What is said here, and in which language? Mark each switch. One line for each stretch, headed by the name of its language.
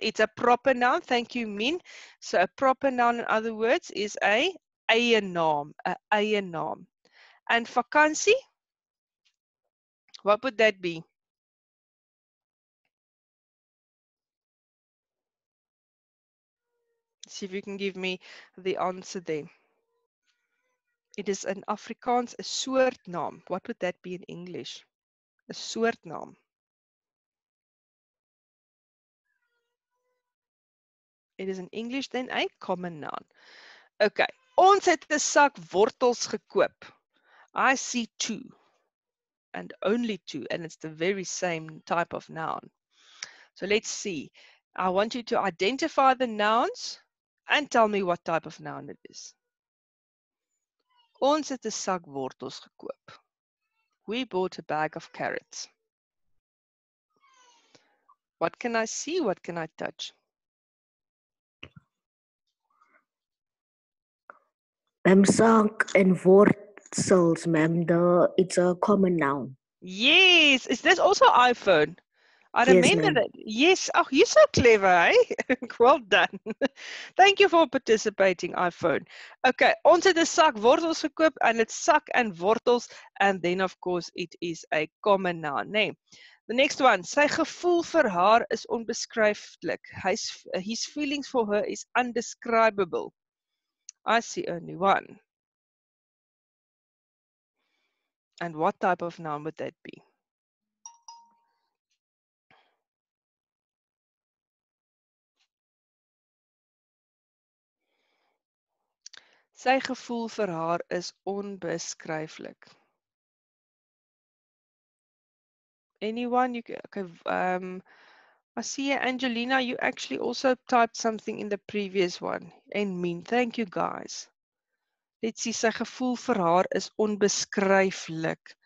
English: It's a proper noun. Thank you, Min. So a proper noun, in other words, is a eie naam. A eie naam. And vakansie, what would that be? See if you can give me the answer there. It is an Afrikaans, a soort naam. What would that be in English? A soort naam. It is in English then a common noun.
Afrikaans: Okay, ons het 'n sak wortels gekoop.
English: I see 2, and only 2, and it's the very same type of noun. So let's see. I want you to identify the nouns and tell me what type of noun it is.
Afrikaans: Ons het 'n sak wortels gekoop.
English: We bought a bag of carrots. What can I see? What can I touch?
Afrikaans: Sak en wortels.
English: Souls, ma'am. It's a common noun. Yes. Is this also iPhone? I remember that. Yes. Oh, you're so clever, eh? Well done. Thank you for participating, iPhone. Okay.
Afrikaans: Ons het 'n sak wortels gekoop,
English: and it's sak and wortels. And then, of course, it is a common noun. Nee. The next one.
Afrikaans: Sy gevoel vir haar is onbeskryflik.
English: His feelings for her is undescribable. I see only one. And what type of noun would that be?
Afrikaans: Sy gevoel vir haar is onbeskryflik.
English: anyone, you can, okay. I see Angelina, you actually also typed something in the previous one. And mean, thank you guys. Let's see,
Afrikaans: sy gevoel vir haar is onbeskryflik.